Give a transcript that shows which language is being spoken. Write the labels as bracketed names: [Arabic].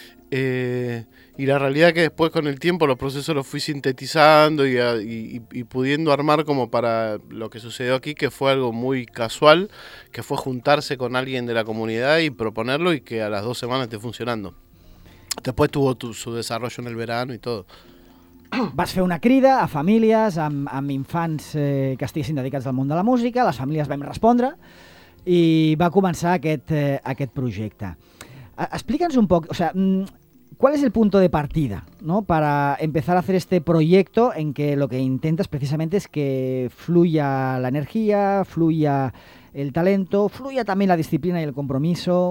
[Spanish] Y la realidad es que después con el tiempo los procesos los fui sintetizando y pudiendo armar como para lo que sucedió aquí, que fue algo muy casual, que fue juntarse con alguien de la comunidad y proponerlo y que a las 2 semanas esté funcionando. Después tuvo su desarrollo en el verano [Catalan] i tot. Vas fer una crida a famílies amb infants que estiguessin dedicats al món de la música, les famílies vam respondre i va començar aquest projecte. Explica'ns un poc, [Spanish] o sea, ¿cuál es el punto de partida, no? Para empezar a hacer este proyecto en que lo que intentas precisamente es que fluya la energía, fluya el talento, fluya también la disciplina y el compromiso.